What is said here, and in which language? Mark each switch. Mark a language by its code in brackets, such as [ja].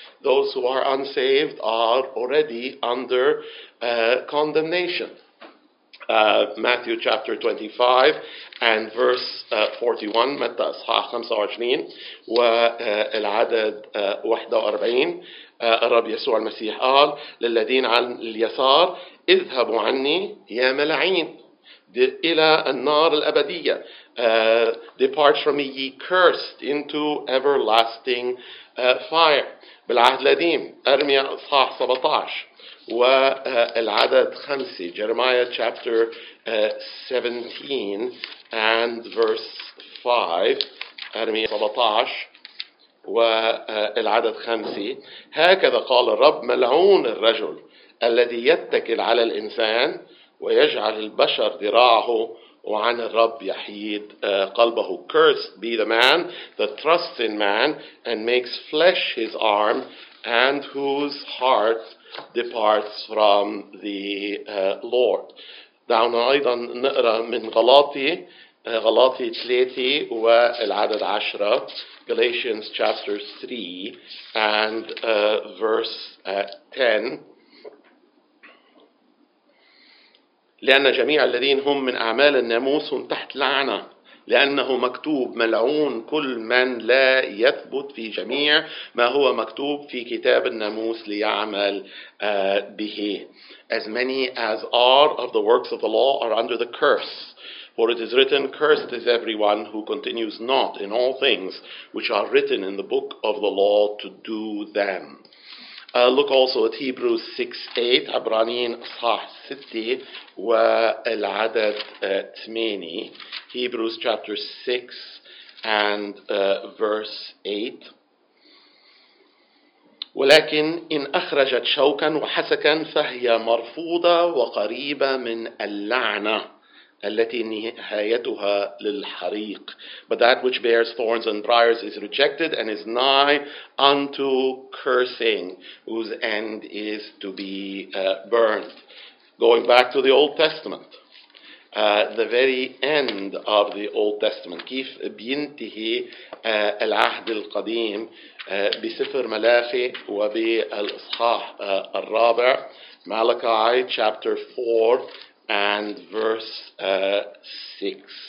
[en] Those who are unsaved are already under condemnation. Matthew chapter 25 and verse 41. [ar] متى أصحاح 25 والعدد 41. الرب يسوع المسيح قال للذين على اليسار اذهبوا عني يا ملعين إلى النار الأبدية. [en] Depart from me ye cursed into everlasting fire. [ar] بالعهد القديم أرميا أصحاح 17 والعدد 5 [en] Jeremiah chapter 17 and verse 5 [ar] أرميا 17 والعدد 5 هكذا قال الرب ملعون الرجل الذي يتكل على الإنسان ويجعل البشر ذراعه وعن الرب يحيد قلبه. [en] Cursed be the man that trusts in man and makes flesh his arm and whose heart departs from the Lord. [ar] دعونا أيضا نقرأ من غلاطي 3 والعدد 10 [en] Galatians chapter 3 and verse 10. [ar] لأن جميع الذين هم من أعمال الناموس هم تحت لعنة لأنه مكتوب ملعون كل من لا يثبت في جميع ما هو مكتوب في كتاب الناموس ليعمل به. [en] As many as are of the works of the law are under the curse. For it is written, cursed is everyone who continues not in all things which are written in the book of the law to do them. Look also at Hebrews 6:8, [ar] Abranin Sah Siti wa al Adat Tmini, [en] Hebrews chapter 6 and verse 8. [ar] ولكن إن أخرجت شوكا وحسكا فهي مرفوضة وقريبة من اللعنة التي نهايتها للحريق. [en] But that which bears thorns and briars is rejected and is nigh unto cursing, whose end is to be burned. Going back to the Old Testament, the very end of the Old Testament. [ar] كيف بينتهي العهد القديم بسفر ملاخي وبالإصحاح الرابع, [en] Malachi chapter 4 and verse 6.